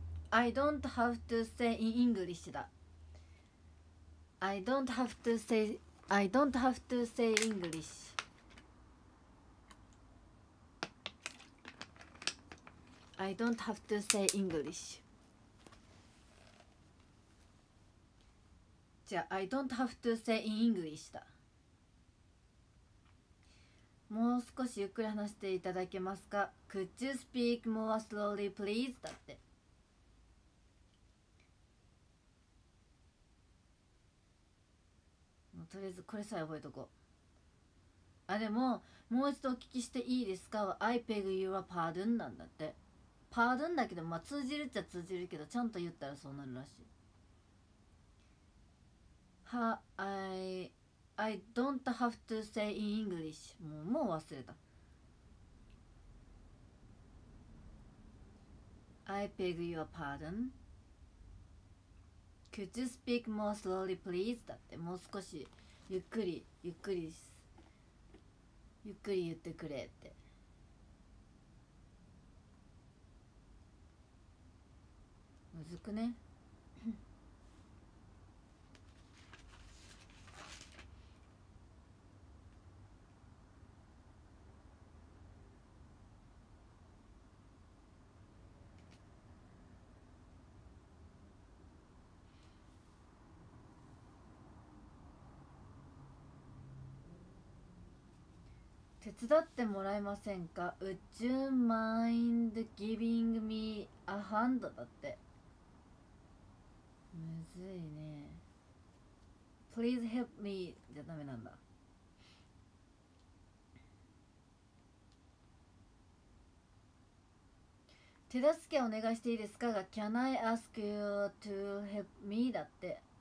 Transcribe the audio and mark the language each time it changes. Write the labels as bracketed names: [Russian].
[English] I don't have to say in English だ。 I don't have to say English。 I don't have to say English。じゃあ、I don't have to say in English だ。 [Japanese] もう少しゆっくり話していただけますか。 [English] Could you speak more slowly, please? [Japanese] だって。とりあえずこれさえ覚えとこう。あ、でももう一度お聞きしていいですか。 [English] I beg your pardon [Japanese] なんだって。 Pardon だけど、まあ通じるっちゃ通じるけど、ちゃんと言ったらそうなるらしい。 [English] I don't have to say in English。 [Japanese] もう忘れた。 [English] I beg your pardon。 Could you speak more slowly, please? [Japanese] だってもう少しゆっくりゆっくりゆっくり言ってくれって。むずくね。手伝ってもらえませんか？ [English] Would you mind giving me a hand? [Japanese] だってむずいね。 [English] Please help me [Japanese] じゃダメなんだ。手助けお願いしていいですかが [English] Can I ask you to help me? [Japanese] だって。